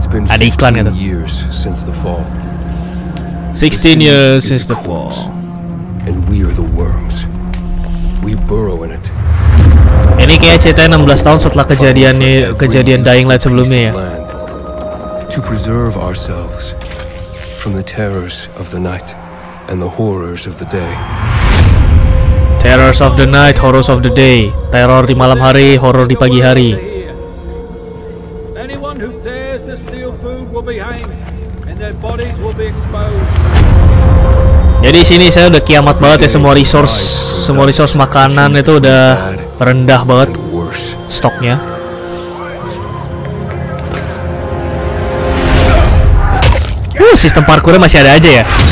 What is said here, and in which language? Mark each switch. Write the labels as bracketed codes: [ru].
[id] Ada iklan gitu. [en] 16 years since the fall. 16 years since the fall. And we are the worms. We burrow in it. [id] Ini kayak cerita 16 tahun setelah kejadian Dying Light sebelumnya ya. [en] To preserve ourselves from the terrors of the night and the horrors of the day. Terrors of the night, horrors of the day. [id] Teror di malam hari, horror di pagi hari. [en] Anyone who dares to steal food will be hanged and their bodies will be exposed. [id] Jadi sini saya udah kiamat banget ya, semua resource makanan itu udah rendah banget stoknya. Sistem parkournya masih ada aja ya.